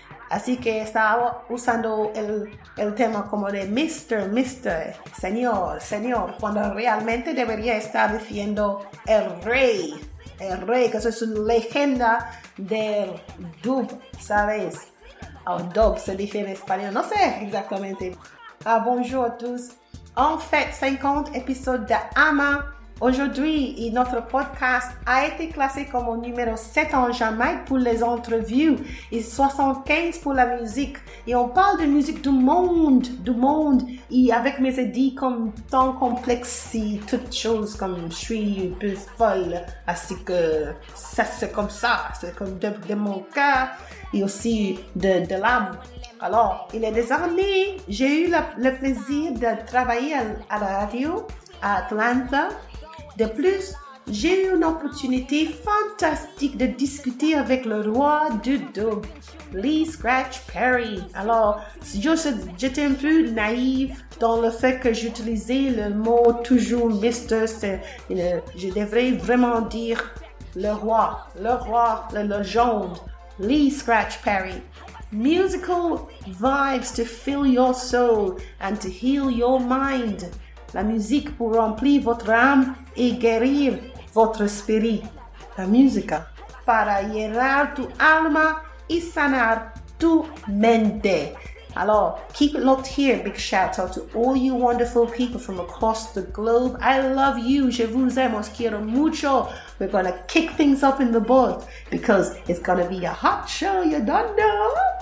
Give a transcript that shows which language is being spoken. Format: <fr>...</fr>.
<es>Así que estaba usando el tema como de Mr., señor, cuando realmente debería estar diciendo el rey, que eso es una leyenda del dub, ¿sabes? Dub se dice en español, no sé exactamente.</es> <fr>Bonjour a tous. On fait 50 épisodes de AMA. Aujourd'hui, notre podcast a été classé comme au numéro 7 en Jamaïque pour les entrevues et 75 pour la musique. Et on parle de musique du monde, et avec mes idées comme tant complexe, toutes choses comme je suis un peu folle, ainsi que ça c'est comme ça, c'est comme de mon cœur et aussi de l'âme. Alors, il y a des années, j'ai eu le plaisir de travailler à la radio à Atlanta. De plus, j'ai eu une opportunité fantastique de discuter avec le roi du dub, Lee Scratch Perry. Alors, j'étais un peu naïve dans le fait que j'utilisais le mot toujours Mister. Je devrais vraiment dire le roi, la légende, Lee Scratch Perry.</fr> <en>Musical vibes to fill your soul and to heal your mind.</en> <fr>La musique pour remplir votre âme et guérir votre esprit. La musique</fr> <es>para llenar tu alma y sanar tu mente.</es> <en>Alors, keep it locked here. Big shout out to all you wonderful people from across the globe. I love you.</en> <fr>Je vous aime.</fr> <es>Os quiero mucho.</es> <en>We're going to kick things up in the butt because it's going to be a hot show, you don't know.</en>